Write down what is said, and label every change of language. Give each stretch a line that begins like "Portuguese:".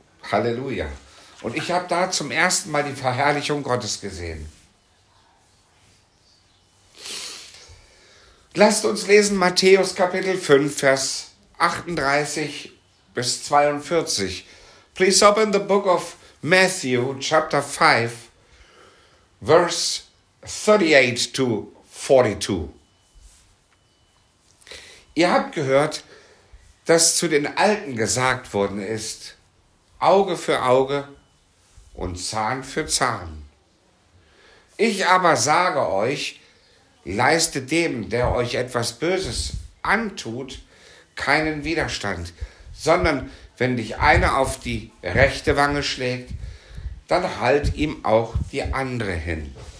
German: Halleluja. Und ich habe da zum ersten Mal die Verherrlichung Gottes gesehen. Lasst uns lesen Matthäus Kapitel 5, Vers 38 bis 42.
English: Please open the book of Matthew, chapter 5, verse 38 to 42.
German: Ihr habt gehört, dass zu den Alten gesagt worden ist, Auge für Auge und Zahn für Zahn. Ich aber sage euch, leistet dem, der euch etwas Böses antut, keinen Widerstand, sondern wenn dich einer auf die rechte Wange schlägt, dann halt ihm auch die andere hin.